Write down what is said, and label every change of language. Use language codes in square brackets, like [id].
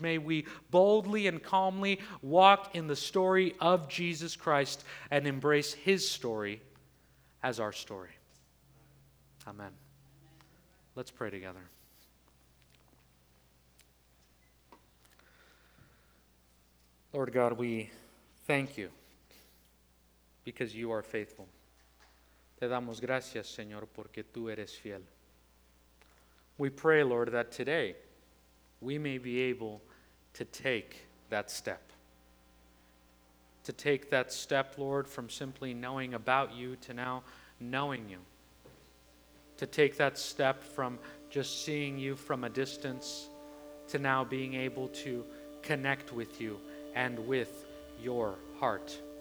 [en] May we boldly and calmly walk in the story of Jesus Christ and embrace His story as our story. Amen. Let's pray together. Lord God, we thank You because You are faithful. [es] Te damos gracias, Señor, porque Tú eres fiel. [en] We pray, Lord, that today we may be able to take that step. To take that step, Lord, from simply knowing about You to now knowing You. To take that step from just seeing You from a distance to now being able to connect with You and with Your heart.